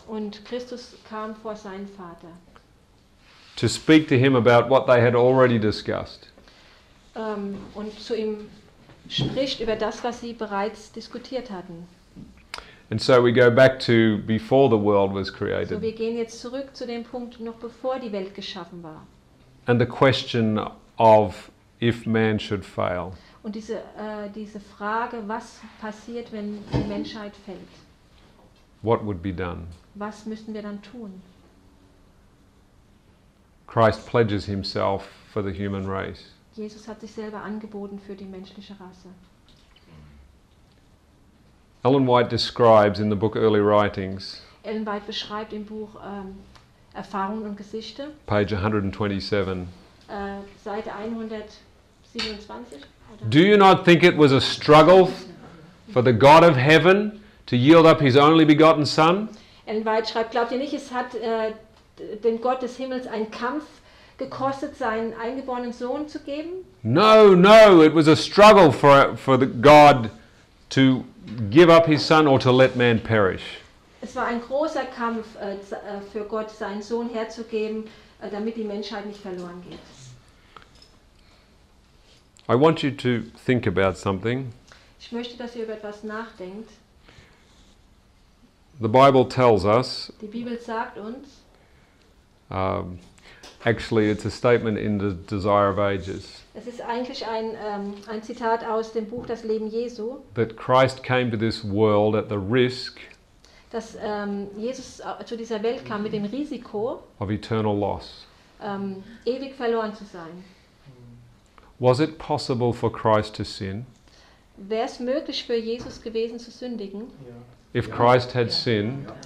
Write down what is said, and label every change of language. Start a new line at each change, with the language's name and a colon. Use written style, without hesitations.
German: Und Christus kam vor seinen Vater.
English: To speak to him about what they had already discussed.
German: Und zu ihm spricht über das, was sie bereits diskutiert hatten.
English: And so we go back to before the world was created.
German: So wir gehen jetzt zurück zu dem Punkt, noch bevor die Welt geschaffen war.
English: And the question of if man should fail.
German: Und diese Frage, was passiert, wenn die Menschheit fällt?
English: What would be done?
German: Was müssen wir dann tun?
English: Christ pledges himself for the human race.
German: Jesus hat sich selber angeboten für die menschliche Rasse.
English: Ellen White describes in the book Early Writings.
German: Ellen White beschreibt im Buch Erfahrungen und Geschichte.
English: Page 127.
German: Seite 127.
English: Do you not think it was a struggle for the God of heaven to yield up his only begotten Son?
German: Ellen White schreibt, glaubt ihr nicht, es hat dem Gott des Himmels einen Kampf gekostet, seinen eingeborenen Sohn zu geben?
English: No, no, it was a struggle for the God to give up his son or to let man perish.
German: Es war ein großer Kampf für Gott, seinen Sohn herzugeben, damit die Menschheit nicht verloren geht.
English: I want you to think about something.
German: Ich möchte, dass ihr über etwas nachdenkt.
English: The Bible tells us.
German: Die Bibel sagt uns.
English: Actually, it's a statement in the Desire of Ages.
German: Es ist eigentlich ein Zitat aus dem Buch Das Leben Jesu.
English: That Christ came to this world at the risk.
German: Dass Jesus zu dieser Welt kam mit dem Risiko.
English: Of eternal loss.
German: Ewig verloren zu sein.
English: Was it possible for Christ to sin?
German: Wäre es möglich für Jesus gewesen zu sündigen?
English: Yeah. If Christ had sinned,